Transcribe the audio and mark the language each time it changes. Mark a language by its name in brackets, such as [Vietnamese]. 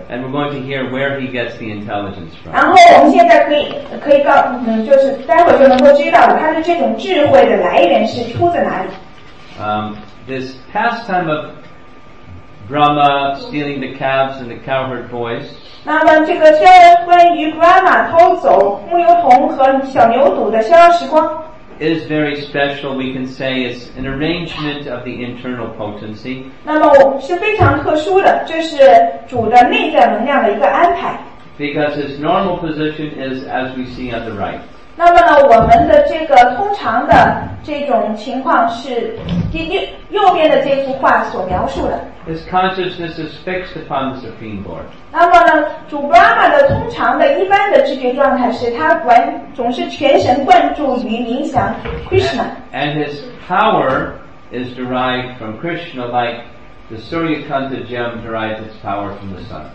[English] And we're going to hear where he gets the intelligence from. [Chinese] 然后我们现在可以告就是待会就能够知道他的这种智慧的来源是出在哪里。 [English] This pastime of Brahma stealing the calves and the cowherd boys. [Chinese] 那么这个消关于 Brahma 偷走牧牛童和小牛犊的逍遥时光。 [English] Is very special. We can say it's an arrangement of the internal potency. [Chinese] 那么是非常特殊的，这是主的内在能量的一个安排。 [English] Because his normal position is as we see on the right. [Chinese] 那么呢，我们的这个通常的这种情况是右边的这幅画所描述的。 [English] His consciousness is fixed upon the supreme Lord. [Chinese] 那么呢，主 Brahma 的通常的一般的知觉状态是他总是全神贯注于冥想 Krishna. [English] And his power is derived from Krishna, like the Suryakanta gem derives its power from the sun.